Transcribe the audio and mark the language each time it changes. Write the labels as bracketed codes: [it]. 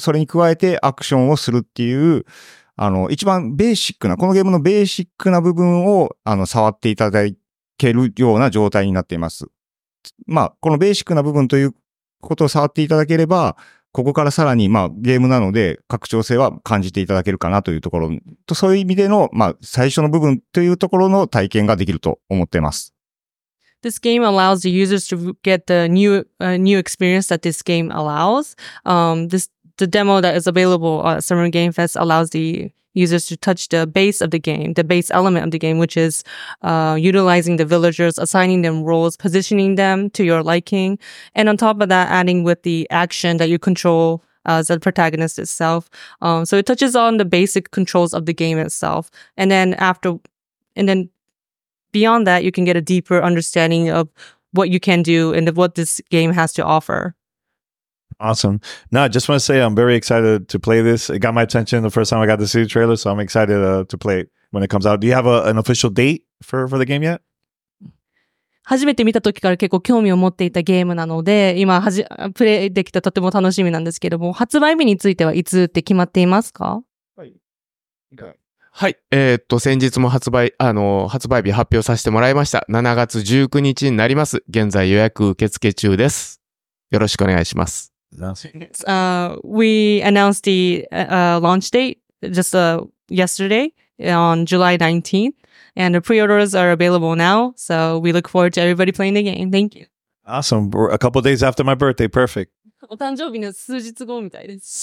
[ja] それに加えて、アクションをするっていう、一番ベーシックな、このゲームのベーシックな部分を、触っていただけるような状態になっています。まあ、このベーシックな部分ということを触っていただければ、ここからさらに、まあ、ゲームなので、拡張性は感じていただけるかなというところと、そういう意味での、まあ、最初の部分というところの体験ができると思っています。 [en] This game allows the users to get the new experience that this game allows. The demo that is available at Summer Game Fest allows the users to touch the base of the game, the base element of the game, which is utilizing the villagers, assigning them roles, positioning them to your liking. And on top of that, adding with the action that you control as the protagonist itself. So it touches on the basic controls of the game itself. And then beyond that, you can get a deeper understanding of what you can do and of what this game has to offer. Awesome. Now, I just want to say I'm very excited to play this. It got my attention the first time I got to see the trailer, so I'm excited to play it when it comes out. Do you have an official date for the game yet? [ja] 初めて見た時から結構興味を持っていたゲームなので、今プレイできたとても楽しみなんですけども、発売日についてはいつって決まっていますか？はい。はい。先日も発売日発表させてもらいました。 7月19日になります。現在予約受付中です。よろしくお願いします。 [en] We announced the launch date just yesterday on July 19th. And the pre-orders are available now, so we look forward to everybody playing the game. Thank you. Awesome. A couple days after my birthday, perfect. [ja] お誕生日の数日後みたいです。